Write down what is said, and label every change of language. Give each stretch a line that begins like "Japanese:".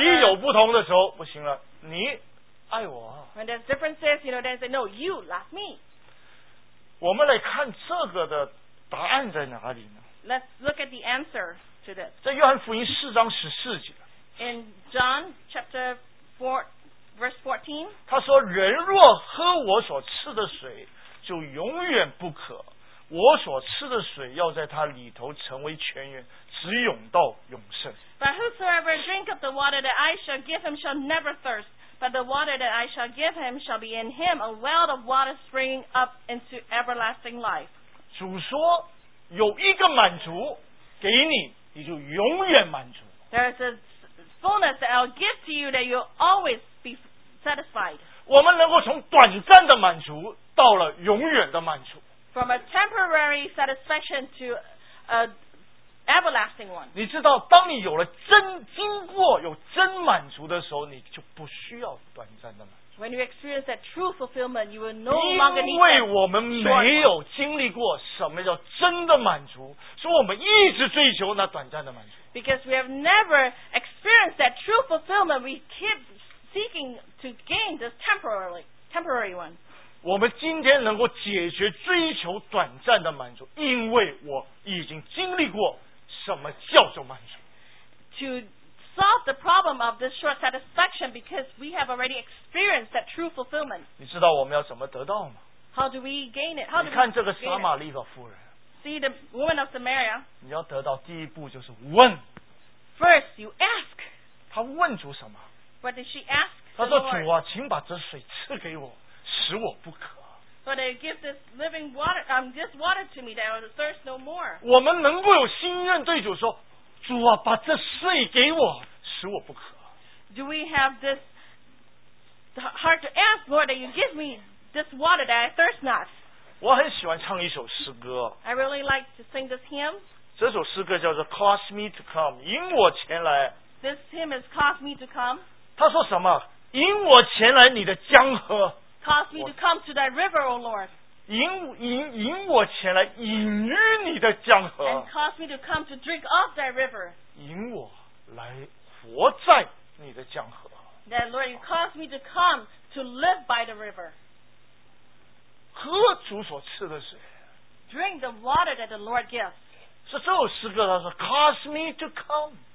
Chinese: 你有不同的时候不行了，你爱我。
English: When there's differences, you know, then say no, you love me.
Chinese: 我们来看这个的答案在哪里呢？
English: Let's look at the answer to this.
Chinese: 在约翰福音四章十四节。
English: In John chapter 4. Verse 14,
Chinese: 他说人若喝我所吃的水就永远不渴，我所吃的水要在他里头成为泉源，直涌到永生。
English: But whosoever drink of the water that I shall give him shall never thirst, but the water that I shall give him shall be in him a well of water springing up into everlasting life.
Chinese: 主说有一个满足给你，你就永远满足。
English: There is a fullness that I'll give to you that you'll always be satisfied.
Chinese: 我们能够从短暂的满足到了永远的满足。
English: From a temporary satisfaction to an everlasting one.
Chinese: 你知道当你有了真经过有真满足的时候，你就不需要短暂的满足。
English: When you experience that true fulfillment, you will no longer need that.
Chinese: 因为我们没有经历过什么叫真的满足，所以我们一直追求那短暂的满足。
English: Because we have never experienced that true fulfillment, we keep seeking to gain this temporary one.
Chinese: 我们今天能够解决追求短暂的满足，因为我已经经历过什么叫做满足。
English: To solve the problem of this short satisfaction, because we have already experienced that true fulfillment.
Chinese: 你知道我们要怎么得到吗？
English: How do we gain it? How do we
Chinese: 你看这个撒玛利亚妇人。
English: See the woman of Samaria.
Chinese: 你要得到第一步就是问。
English: First, you ask.
Chinese: 她问主什么？
English: What did she ask?
Chinese: 她说主啊，请把这水赐给我，使我不渴。
English: So they give this living water, this water to me that I will thirst no more.
Chinese: 我们能够有心愿对主说，主啊，把这水给我，使我不渴。
English: Do we have this heart to ask Lord that you give me this water that I thirst not?
Chinese: 我很喜欢唱一首诗歌。
English: I really like to sing this hymn.
Chinese: 这首诗歌叫做 Cause Me to Come, 引我前来。
English: This hymn is Cause Me to Come.
Chinese: 他说什么？引我前来你的江河。
English: Cause Me to Come to that river, O Lord.
Chinese: 引我前来饮于你的江河。
English: And Cause Me to Come to drink of that river.
Chinese: 引我来活在你的江河。
English: That Lord, you cause me to come to live by the river.
Chinese: 喝主所赐的水。
English: Drink the water that the Lord gives.
Chinese: 是这首诗歌，他说 ，Cause me to come.